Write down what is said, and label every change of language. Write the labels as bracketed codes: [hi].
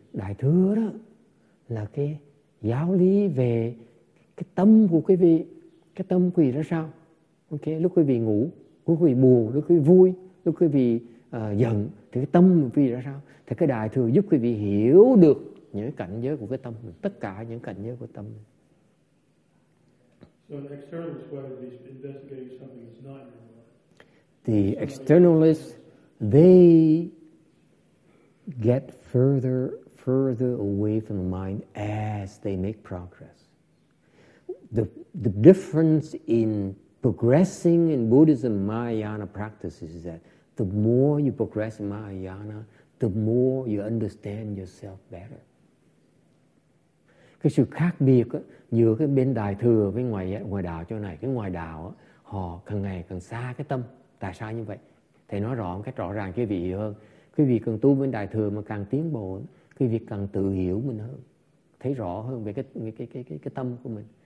[vi] Đại thừa đó là cái giáo lý về cái tâm của quý vị. Cái tâm quý vị ra sao? Ok, lúc quý vị ngủ, lúc quý vị buồn, lúc quý vị vui, lúc quý vị giận, thì cái tâm quý vị ra sao? Thì cái đại thừa giúp quý vị hiểu được những cảnh giới của cái tâm, tất cả những cảnh giới của tâm. [en] So an externalist way of investigating something is not in your mind. The externalists, they get further away from the mind as they make progress. The difference in progressing in Buddhism Mahayana practices is that the more you progress in Mahayana, the more you understand yourself better. [vi] Cái sự khác biệt giữa cái bên đại thừa với ngoài đạo chỗ này, cái ngoài đạo á, họ càng ngày càng xa cái tâm. Tại sao như vậy? Thầy nói rõ một cách rõ ràng quý vị hiểu hơn. Quý vị càng tu bên đại thừa mà càng tiến bộ, quý vị càng tự hiểu mình hơn, thấy rõ hơn về cái tâm của mình.